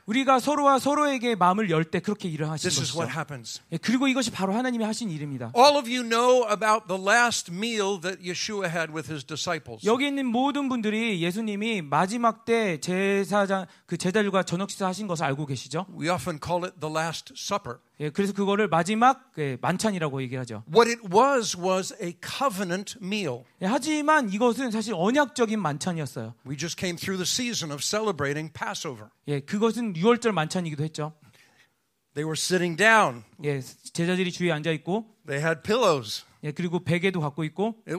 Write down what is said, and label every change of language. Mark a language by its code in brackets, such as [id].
[ko] 우리가 서로와 서로에게 마음을 열 때 그렇게 일을 하시는 것이죠. [en] This is what happens. happens. [ko] 그리고 이것이 바로 하나님이 하신 일입니다. [en] All of you know about the last meal that Yeshua had with his disciples. [ko] 여기 있는 모든 분들이 예수님이 마지막 때 제사장 그 제자들과 저녁 식사 하신 것을 알고 계시죠? [en] We often call it the last supper. [ko] 예, 그래서 그거를 마지막 예, 만찬이라고 얘기하죠. [en] What it was a covenant meal. [ko] 예, 하지만 이것은 사실 언약적인 만찬이었어요. [en] We just came through the season of celebrating Passover. [ko] 예, 그것은 유월절 만찬이기도 했죠. [en] They were sitting down. [ko] 예, 제자들이 주위에 앉아 있고. [en] They had pillows. [ko] 예, 그리고 베개도 갖고 있고.